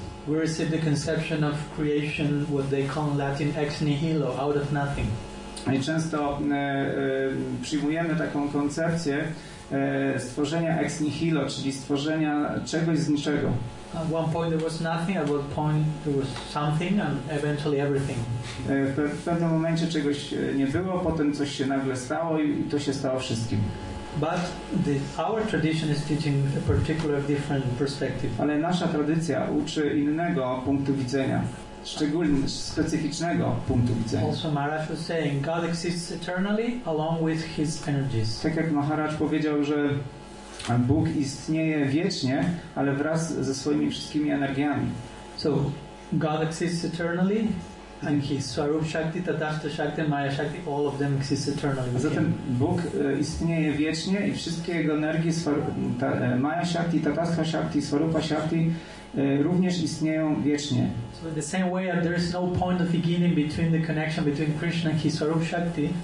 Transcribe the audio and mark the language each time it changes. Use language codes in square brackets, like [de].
[en] We receive the conception of creation, what they call in Latin ex nihilo, out of nothing. [pl] I często przyjmujemy taką koncepcję stworzenia ex nihilo, czyli stworzenia czegoś z niczego. [en] At one point there was nothing, at one point there was something, and eventually everything. [pl] W pewnym momencie czegoś nie było, potem coś się nagle stało i to się stało wszystkim. [en] But our tradition is teaching a particular different perspective. [pl] Ale nasza tradycja uczy innego punktu widzenia. Szczególnie specyficznego punktu widzenia. [en] Also Maharaj was saying God exists eternally along with his energies. [pl] Tak jak Maharaj powiedział, że Bóg istnieje wiecznie, ale wraz ze swoimi wszystkimi energiami. [en] So God exists eternally and his Swarup Shakti, Tadashta Shakti, Maya Shakti, all of them exist eternally. [pl] Zatem Bóg istnieje wiecznie i wszystkie jego energie Maya Shakti, Tadashta Shakti, Swarupa Shakti również istnieją wiecznie. [en] So in the same way there is no point of beginning between the connection between Krishna and his Swarup Shakti.